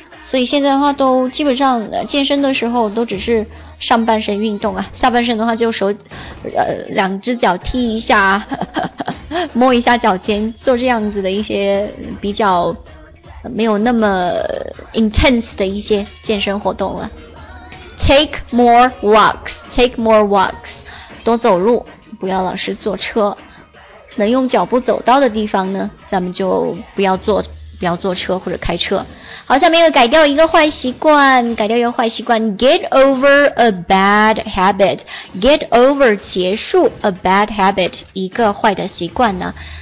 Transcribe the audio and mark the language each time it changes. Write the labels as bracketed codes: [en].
[zh] 所以现在的话都基本上健身的时候都只是上半身运动啊，下半身的话就手两只脚踢一下，摸一下脚尖，做这样子的一些比较没有那么 intense 的一些健身活动了。 [en] Take more walks, take more walks， [zh] 多走路，不要老是坐车。能用脚步走到的地方呢，咱们就不要坐车或者开车。好，下面又改掉一个坏习惯，改掉一个坏习惯。 [en] Get over a bad habit, get over 结束 a bad habit [zh] 一个坏的习惯呢。